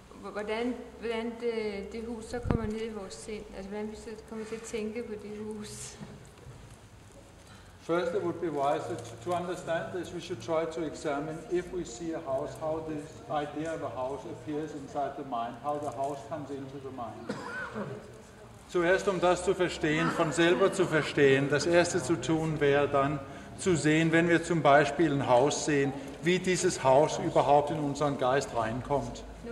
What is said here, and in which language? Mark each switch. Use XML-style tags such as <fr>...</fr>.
<da>hvordan det hus så kommer ned i vores sind, altså hvordan vi så kommer til at tænke på det hus.</da> <en>First, it would be wise to understand this. We should try to examine if we see a house, how this idea of a house appears inside the mind, how the house comes into the mind.</en> <de>Zuerst, um das zu verstehen, von selber zu verstehen, das Erste zu tun wäre dann zu sehen, wenn wir zum Beispiel ein Haus sehen, wie dieses Haus überhaupt in unseren Geist reinkommt.</de>